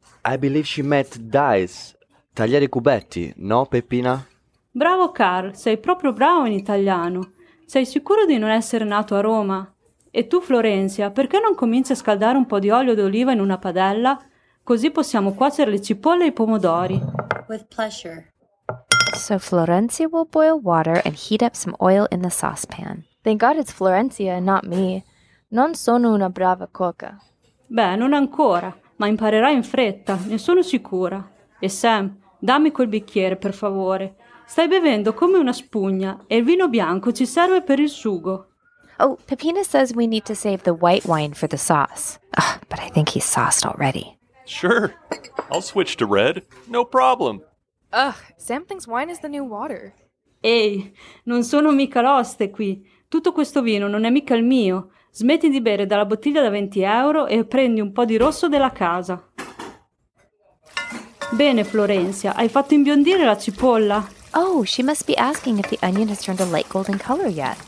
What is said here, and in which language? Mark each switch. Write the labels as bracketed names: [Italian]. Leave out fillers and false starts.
[English] I believe she meant dice. [Italian] Tagliare cubetti, no, Peppina? Bravo, Carl. Sei proprio bravo in italiano. Sei sicuro di non essere nato a Roma? E tu, Florencia, perché non cominci a scaldare un po' di olio d'oliva in una padella? Così possiamo cuocere le cipolle e i pomodori. [English] With pleasure. So Florencia will boil water and heat up some oil in the saucepan. Thank God it's Florencia and not me. [Italian] Non sono una brava cuoca. Beh, non ancora, ma imparerai in fretta, ne sono sicura. E Sam, dammi quel bicchiere, per favore. Stai bevendo come una spugna e il vino bianco ci serve per il sugo. [English] Oh, Peppina says we need to save the white wine for the sauce. Ugh, but I think he's sauced already. Sure, I'll switch to red. No problem. Ugh, Sam thinks wine is the new water. [Italian] Ehi, non sono mica l'oste qui. Tutto questo vino non è mica il mio. Smetti di bere dalla bottiglia da 20 euro e prendi un po' di rosso della casa. Bene, Florencia, hai fatto imbiondire la cipolla? [English] Oh, she must be asking if the onion has turned a light golden color yet.